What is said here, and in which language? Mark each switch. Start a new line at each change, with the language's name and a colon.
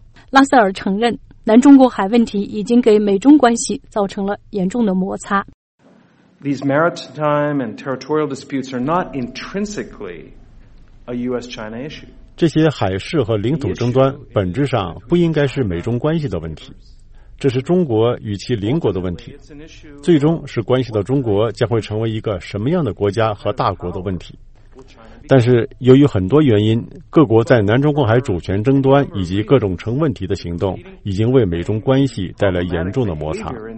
Chinese: 拉塞尔承认，南中国海问题已经给美中关系造成了严重的摩擦。
English: These maritime and territorial disputes are not intrinsically a U.S.-China issue.
Chinese: 这些海事和领土争端本质上不应该是美中关系的问题。这是中国与其邻国的问题，最终是关系到中国将会成为一个什么样的国家和大国的问题。但是由于很多原因，各国在南中国海主权争端以及各种成问题的行动已经为美中关系带来严重的摩擦。